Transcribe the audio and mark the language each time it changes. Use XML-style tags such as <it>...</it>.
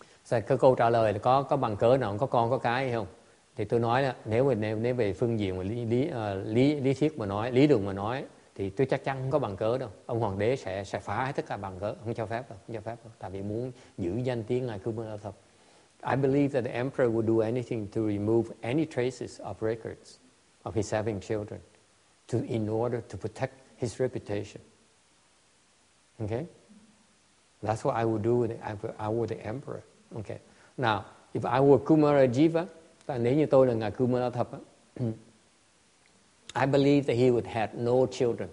<vi>cái câu trả lời là có bằng cớ nào có con có cái hay không? Thì tôi nói là nếu về phương diện mà lý thuyết mà nói, lý luận mà nói, thì tôi chắc chắn không có bằng cớ đâu. Ông hoàng đế sẽ phá hết tất cả bằng cớ, không cho phép đâu, không cho phép đâu. Tại vì muốn giữ danh tiếng ngài Kumara thật.</vi> <en>I believe that the emperor would do anything to remove any traces of records of his having children, in order to protect his reputation. Okay. That's what I would do if I were the emperor. Okay. Now, if I were Kumara Jiva,</en> <vi>nếu như tôi là ngài Kumara Thập,</vi> <en>I believe that he would have no children.</en>